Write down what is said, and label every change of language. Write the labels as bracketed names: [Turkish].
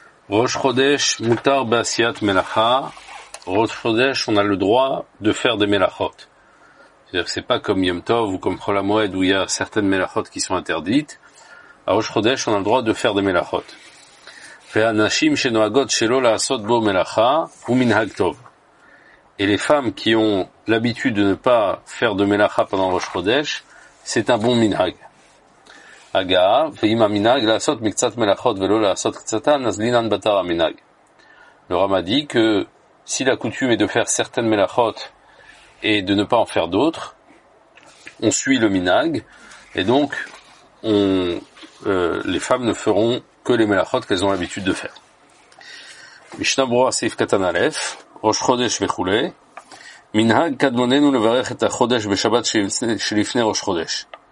[Hebrew] ראש חודש מותר בעשיית מלאכה. [French] ראש חודש, on a le droit de faire des מלאכות. C'est pas comme Yom Tov ou comme Chol HaMoed où il y a certaines מלאכות qui sont interdites. À Rosh Chodesh, on a le droit de faire des מלאכות. [Hebrew] והנשים שנוהגות שלא לעשות בו מלאכה, הוא מנהג טוב. [French] Et les femmes qui ont l'habitude de ne pas faire de מלאכה pendant Rosh Chodesh, c'est un bon מנהג. [Hebrew] הגעה, ואם המנהג לעשות מקצת מלאכות ולא לעשות קצתן, אז לינן בתר המנהג. [French] Le Rama dit que si la coutume est de faire certaines מלאכות et de ne pas en faire d'autres, on suit le מנהג, et donc les femmes ne feront que les מלאכות qu'elles ont l'habitude de faire. [Hebrew] Mishna Brura Seif Katan Alef, Rosh Chodesh Vechule, מנהג קדמוננו לברך את החודש בשבת שלפני Rosh Chodesh.